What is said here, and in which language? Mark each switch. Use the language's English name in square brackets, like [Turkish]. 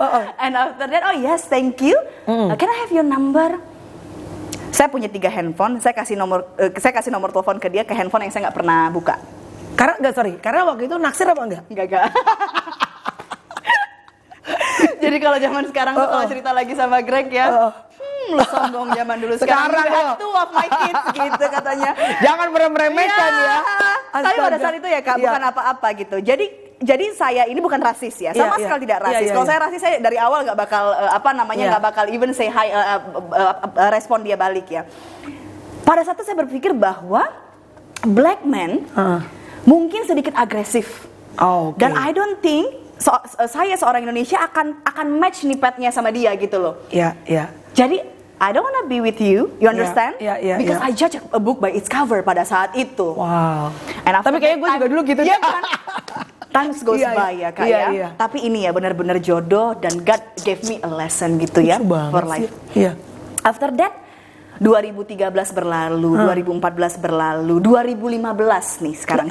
[English] Oh. And after that, oh yes, thank you. Mm. Can I have your number? [Indonesian] saya punya 3 handphone, saya kasih nomor telepon ke dia ke handphone yang saya nggak pernah buka. Karena waktu itu naksir apa enggak? Enggak. Jadi kalau zaman sekarang tuh kalau cerita lagi sama Greg ya, lu sombong zaman dulu sekarang. Sekarang tuh [English] of my kids [Indonesian] gitu katanya. Jangan meremehkan ya. Astaga. Tapi pada saat itu ya Kak, bukan apa-apa gitu. Jadi saya ini bukan rasis ya, sama sekali tidak rasis. Kalau saya rasis, saya dari awal nggak bakal nggak bakal [English] even say hi, [Indonesian] respon dia balik ya. Pada saat itu saya berpikir bahwa [English] black man [Indonesian] mungkin sedikit agresif. [English] Oh, okay. [Indonesian] Dan [English] I don't think [Indonesian] saya seorang Indonesia akan match nipetnya sama dia gitu loh. Iya, yeah, iya. [English] Yeah. Jadi I don't wanna be with you, you understand? Yeah, yeah, because I judge a book by its cover [Indonesian] pada saat itu. [English] Wow. [Indonesian] Tapi kayaknya gue juga dulu gitu. Iya kan? [English] Times goes by [Indonesian] ya kak ya. Yeah. Tapi ini ya benar-benar jodoh dan [English] God gave me a lesson [Indonesian] gitu ya [English] for life. [Indonesian] Iya. [English] After that, [Indonesian] 2013 berlalu, 2014 berlalu, 2015 nih sekarang.